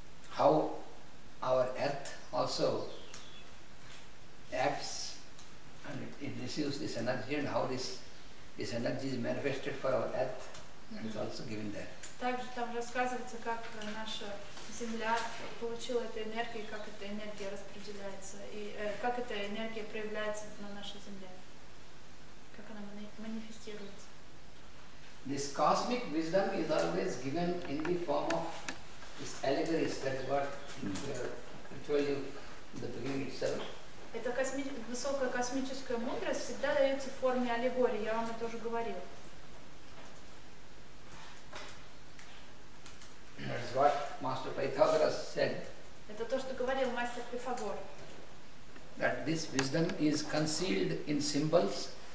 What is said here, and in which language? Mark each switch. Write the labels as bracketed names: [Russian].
[English] How our earth also acts and it receives this energy and how this energy is manifested for our earth and is also given there. [Russian] Также там рассказывается, как наша земля получила эту энергию, как эта энергия распределяется и как эта энергия проявляется на нашей земле, как она манифестируется. [English] This cosmic wisdom is always given in the form of this allegory, that's what I told you in the beginning itself. [Russian] Эта высокая космическая мудрость всегда дается в форме аллегории. Я вам это уже говорил. [English] That's what Master Pythagoras said. [Russian] Это то, что говорил мастер Пифагор. [English] That this wisdom is concealed in symbols.